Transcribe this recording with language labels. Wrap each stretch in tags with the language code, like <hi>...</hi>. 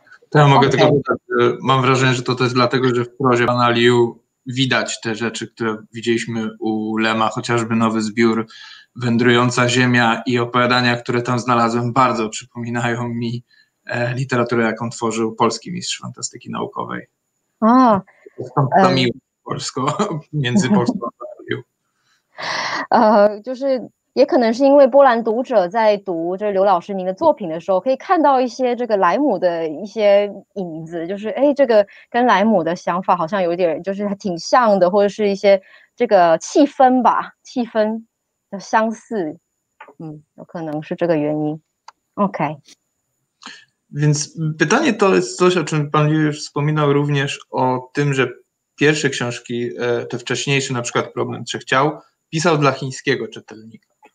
<pl>To ja mogę tylko dodać, mam wrażenie, że to jest dlatego, że w prozie pana Liu widać te rzeczy, które widzieliśmy u Lema, chociażby nowy zbiór Wędrująca Ziemia i opowiadania, które tam znalazłem, bardzo przypominają mi literaturę, jaką tworzył polski mistrz fantastyki naukowej. A, to miło polsko, między Polską a Polią. Już</pl> <zh>也可能是因为波兰读者在读这刘老师您的作品的时候，可以看到一些这个莱姆的一些影子，就是哎，这个跟莱姆的想法好像有点，就是还挺像的，或者是一些这个气氛吧，气氛的相似，嗯，有可能是这个原因。 OK。</zh> <pl>Więc pytanie to jest coś, o czym pan już wspominał również, o tym, że pierwsze książki, te wcześniejsze, na przykład Problem Trzech Ciał, pisał dla chińskiego czytelnika.</pl>